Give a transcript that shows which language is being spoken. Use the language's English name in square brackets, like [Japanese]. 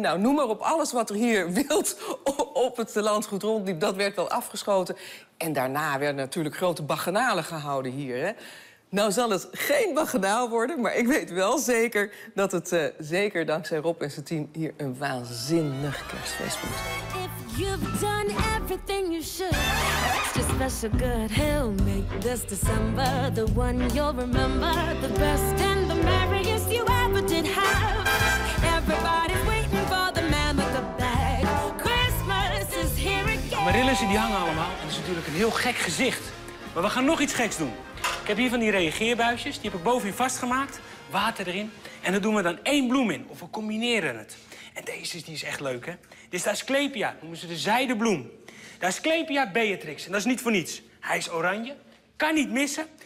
[Dutch] Nou, noem maar op alles wat er hier wild op het landgoed rondliep. Dat werd wel afgeschoten. En daarna werden natuurlijk grote bacchanalen gehouden hier, hè. Nou zal het geen bacchanaal worden, maar ik weet wel zeker dat het zeker dankzij Rob en zijn team hier een waanzinnig kerstfeest moet. [English] If you've done everything you should, just special good. He'll make this December the one you'll remember, the best and the merriest you ever did have. Everybody's waiting for the man with the bag. Christmas is here again. [Dutch] Marillissen die hangen allemaal, dat is natuurlijk een heel gek gezicht. Maar we gaan nog iets geks doen. Ik heb hier van die reageerbuisjes, die heb ik bovenin vastgemaakt. Water erin. En daar doen we dan één bloem in. Of we combineren het. En deze die is echt leuk, hè? Dit is de Asclepia. Noemen ze de zijdebloem. De Asclepia Beatrix. En dat is niet voor niets. Hij is oranje. Kan niet missen.